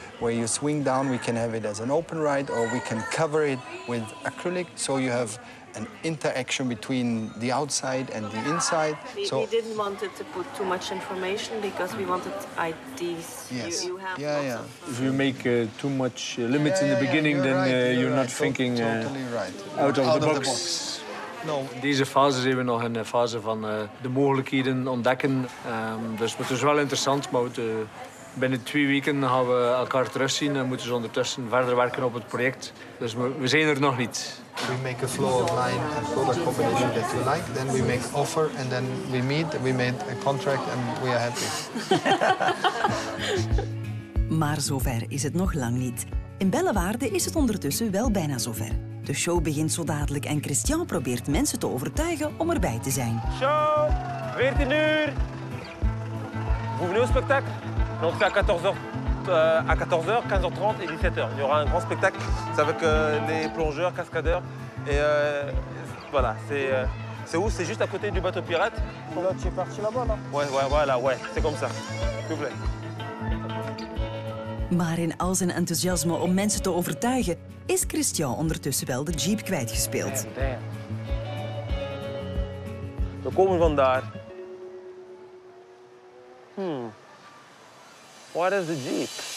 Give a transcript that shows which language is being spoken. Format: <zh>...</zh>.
<en>Where you swing down, we can have it as an open ride or we can cover it with acrylic so you have an interaction between the outside and the inside. We didn't want it to put too much information because we wanted ideas. Yes. If you make too much limits in the beginning, you're not thinking out of the box. No.</en> <nl>Deze fase is even nog een fase van de mogelijkheden ontdekken. Dus het is wel interessant, maar we binnen 2 weken gaan we elkaar terugzien en moeten ze ondertussen verder werken op het project. Dus we zijn er nog niet.</nl> <en>We make a flow of line and product combination that you like. Then we make offer and then we meet. We made a contract and we are happy.</en> <nl>Maar zover is het nog lang niet. In Bellewaerde is het ondertussen wel bijna zover. De show begint zo dadelijk en Christian probeert mensen te overtuigen om erbij te zijn. Show, 14 uur.</nl> <fr>Bienvenue au spectacle. Donc c'est à 14h, 15h30 et 17h. Il y aura un grand spectacle avec des plongeurs, cascadeurs. Et voilà, c'est où? C'est juste à côté du bateau pirate. Là, tu es parti là-bas, là? Ouais, voilà, c'est comme ça. S'il vous plaît.</fr> <nl>Maar in al zijn enthousiasme om mensen te overtuigen, is Christian ondertussen wel de jeep kwijtgespeeld. We komen vandaar.</nl> <en>What is the jeep?</en>